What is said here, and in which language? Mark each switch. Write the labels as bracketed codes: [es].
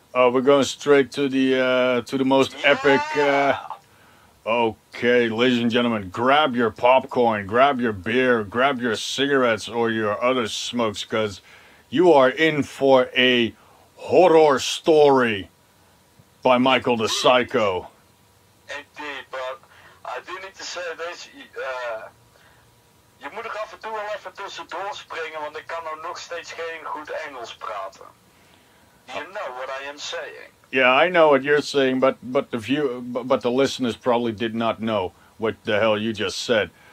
[en] Oh, we're going straight to the most epic. Okay, ladies and gentlemen, grab your popcorn, grab your beer, grab your cigarettes or your other smokes, because you are in for a horror story by Michael the Psycho. Indeed, but I do need to say this. [nl] You moet er af en toe wel even tussendoor springen, want ik kan nou nog steeds geen goed Engels praten. [en] You know what I am saying. Yeah, I know what you're saying, but the listeners probably did not know what the hell you just said.